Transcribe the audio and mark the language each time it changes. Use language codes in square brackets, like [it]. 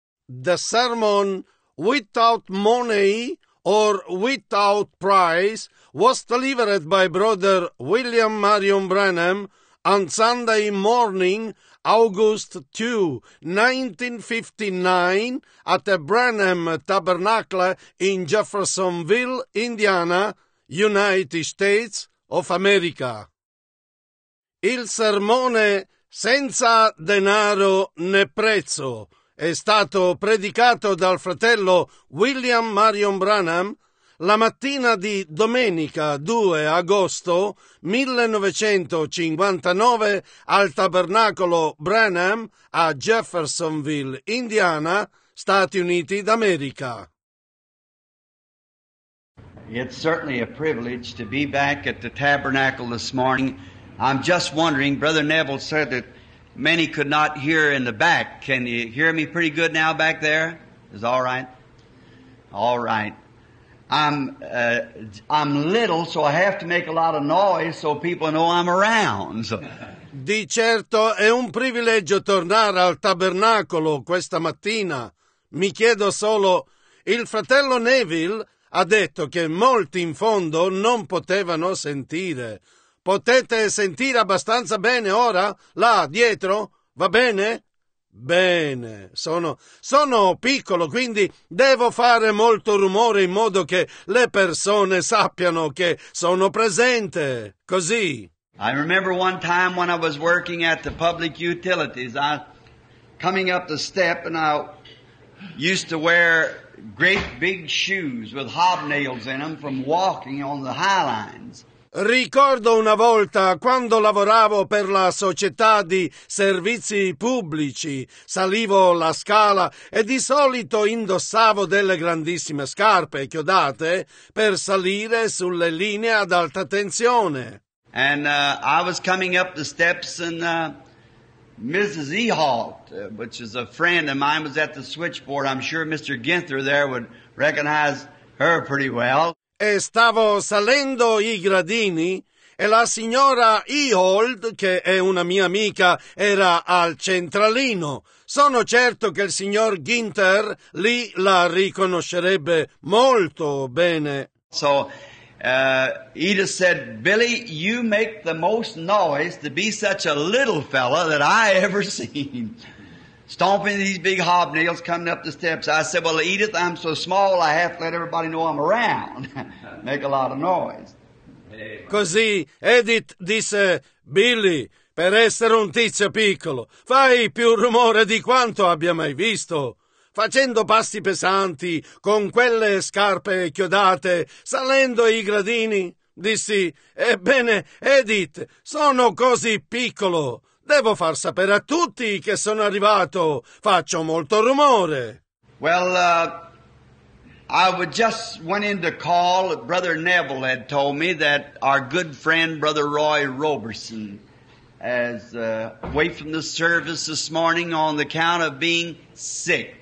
[en] the sermon Without Money or Without Price was delivered by Brother William Marion Branham on Sunday morning, August 2, 1959, at the Branham Tabernacle in Jeffersonville, Indiana, United States of America. [it] Il sermone Senza denaro né prezzo è stato predicato dal fratello William Marion Branham la mattina di domenica 2 agosto 1959 al Tabernacolo Branham a Jeffersonville, Indiana, Stati Uniti d'America. [en] It's certainly a privilege to be back at the Tabernacle this morning. I'm just wondering, Brother Neville said that many could not hear in the back. Can you hear me pretty good now back there? Is all right? All right. I'm little, so I have to make a lot of noise so people know I'm around. So. [it] Di certo è un privilegio tornare al Tabernacolo questa mattina. Mi chiedo solo, il fratello Neville ha detto che molti in fondo non potevano sentire. Potete sentire abbastanza bene ora, là dietro? Va bene? Bene. Sono piccolo, quindi devo fare molto rumore in modo che le persone sappiano che sono presente. Così. [en] I remember one time when I was working at the public utilities. I coming up the step and I used to wear great big shoes with hobnails in them from walking on the high lines. [it] Ricordo una volta quando lavoravo per la società di servizi pubblici, salivo la scala e di solito indossavo delle grandissime scarpe chiodate per salire sulle linee ad alta tensione. [en] And I was coming up the steps and Mrs. Ehalt, which is a friend of mine, was at the switchboard. I'm sure Mr. Ginther there would recognize her pretty well. [it] E stavo salendo i gradini e la signora Ehold, che è una mia amica, era al centralino. Sono certo che il signor Ginther lì la riconoscerebbe molto bene. [en] So, Edith said, Billy, you make the most noise to be such a little fella that I ever seen. Stomping these big hobnails coming up the steps. I said, well, Edith, I'm so small I have to let everybody know I'm around. Make a lot of noise. [it] Così Edith disse, Billy, per essere un tizio piccolo, fai più rumore di quanto abbia mai visto. Facendo passi pesanti, con quelle scarpe chiodate, salendo i gradini, dissi, ebbene, Edith, sono così piccolo. Devo far sapere a tutti che sono arrivato. Faccio molto rumore. [en] Well, I would just went in to call. Brother Neville had told me that our good friend, Brother Roy Roberson, is away from the service this morning on the account of being sick.